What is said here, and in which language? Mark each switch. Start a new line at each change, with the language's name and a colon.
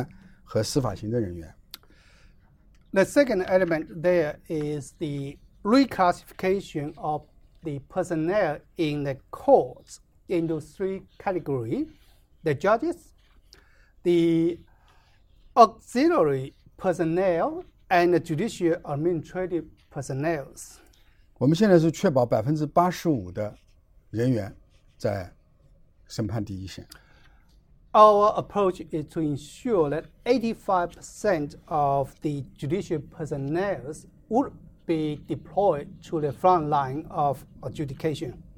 Chinese: 第二个呢，就是人员分流了。我们把法院的人分成三类：法官、助理法官和司法行政人员。
English: The second element there is the reclassification of the personnel in the courts into three categories: the judges, the auxiliary personnel, and the judicial administrative personnel.
Chinese: 我们现在是确保 85% 的人员在审判第一线。
English: Our approach is to ensure that 85% of the judicial personnel would be deployed to the front line of adjudication.